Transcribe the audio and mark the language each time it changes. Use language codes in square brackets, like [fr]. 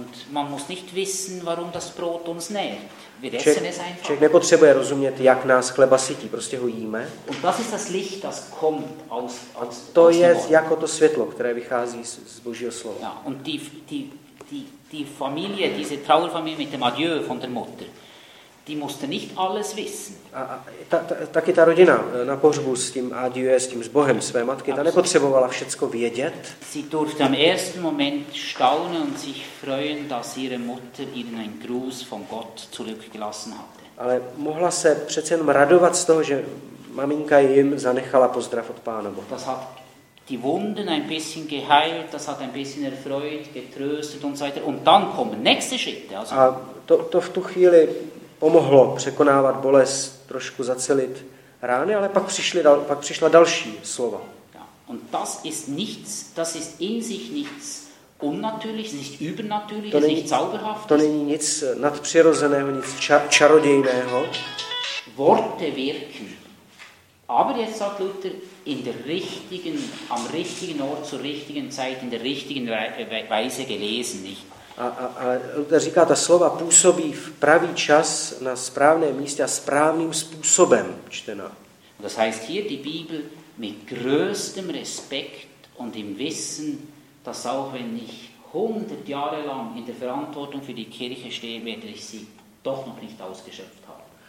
[de] Man muss nicht wissen, warum das Brot uns nährt. Wir essen es einfach. [cs] Člověk nepotřebuje rozumět, jak nás chleba sytí, prostě ho jíme. [de] Und das ist das Licht, das kommt aus [cs] to je jako to světlo, které vychází z Božího slova. [de] Ja, und die Familie, diese Trauerfamilie mit dem Adieu von der Mutter. Die musste nicht alles wissen. [cs] Taky ta rodina na pohřbu s tím adieu, s tím sbohem své matky, ta nepotřebovala všecko vědět. [de] Sie durfte am ersten Moment staunen und sich freuen, dass ihre Mutter ihnen einen Gruß von Gott zurückgelassen hatte. [cs] Ale mohla se přece jenom radovat z toho, že maminka jim zanechala pozdrav od Pána Boha. [de] Das hat die Wunden ein bisschen geheilt, das hat ein bisschen erfreut, getröstet und so weiter. Und dann kommen nächste Schritte. [cs] A to v tu chvíli pomohlo překonávat bolest, trošku zacelit rány, ale pak přišly přišla další slova. [de] Und das ist nichts, das ist in sich nichts unnatürliches, nicht übernatürliches, nicht zauberhaftes. [cs] To není nic nadpřirozeného, nic čarodějného. [de] Worte wirken. Aber jetzt sagt Luther, in der richtigen, am richtigen Ort, zur richtigen Zeit, in der richtigen Weise gelesen, nicht? [cs] A Luther říká, ta slova působí v pravý čas, na správné místě a správným způsobem čtená. [de] Das heißt hier, die Bibel mit größtem Respekt und im Wissen, dass auch wenn ich 100 Jahre lang in der Verantwortung für die Kirche stehe, werde ich sie doch noch nicht ausgeschöpft haben.